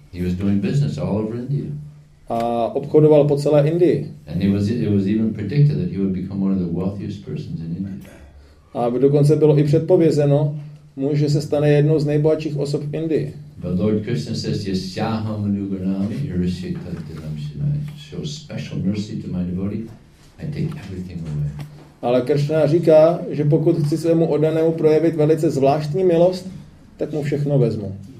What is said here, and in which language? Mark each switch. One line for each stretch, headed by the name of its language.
English: He was doing business all over India.
Czech: A obchodoval po celé Indii.
English: And it was even predicted that he would become one of the wealthiest persons in India.
Czech: A dokonce bylo i předpovězeno, že se stane jednou z nejbohatších osob v Indii.
English: But Lord Krishna says,
Sanskrit: "Yasyaham anugranami irishita dilamshina."
English: Show special mercy to my devotee, I take everything away.
Czech: Ale Kršna říká, že pokud chci svému oddanému projevit velice zvláštní milost, tak mu všechno vezmu.